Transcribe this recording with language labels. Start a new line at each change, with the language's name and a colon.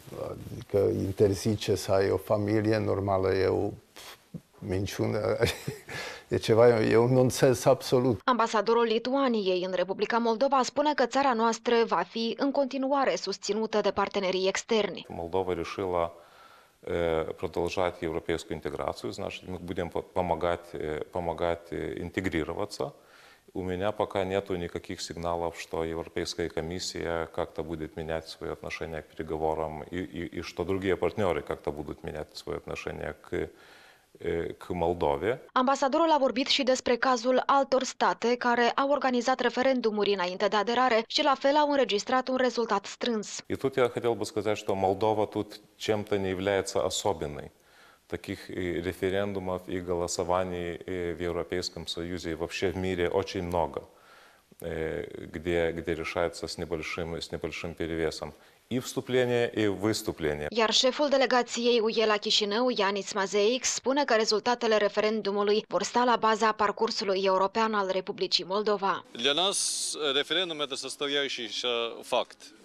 Romanian: adică interzice să ai o familie normală, eu minciună. E ceva, e un nonsens absolut. Ambasadorul Lituaniei în Republica Moldova spune că țara noastră va fi în continuare susținută de partenerii externi. Moldova a reușit la
Russian: продолжать европейскую интеграцию, значит, мы будем помогать интегрироваться. У меня пока нету никаких сигналов, что Европейская комиссия как-то будет менять свои отношения к переговорам и что другие партнеры как-то будут менять свои отношения к Moldove.
Romanian: Ambasadorul a vorbit și despre cazul altor state care au organizat referendumuri înainte de aderare și la fel au înregistrat un rezultat strâns.
Russian: И тут я хотел бы сказать, что Молдова тут чем-то не является особенной. Таких референдумов и голосований в Европейском Союзе и вообще в мире очень много, где решается с небольшим перевесом. И вступление, и выступление.
Romanian: Iar șeful delegației UE la Chișinău, Ianis Mazeic, spune că rezultatele referendumului vor sta la baza parcursului european al Republicii Moldova.
Russian: Для нас референдум это составляющий факт.